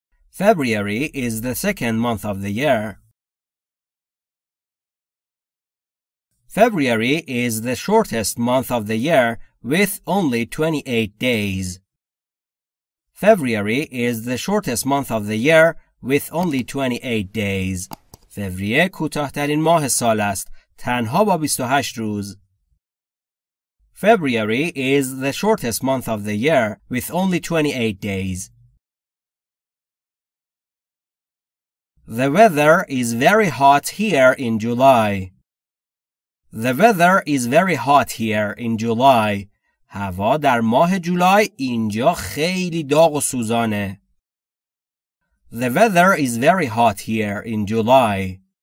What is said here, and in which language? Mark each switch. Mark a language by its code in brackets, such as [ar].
[en] February is the second month of the year. February is the shortest month of the year with only 28 days. February is the shortest month of the year with only 28 days. [fa] فوریه کوتاه‌ترین ماه سال است، تنها با 28 روز. [en] February is the shortest month of the year with only 28 days. The weather is very hot here in July. The weather is very hot here in July. [fa] هوا در ماه جولای اینجا خیلی داغ و سوزانه. [en] The weather is very hot here in July.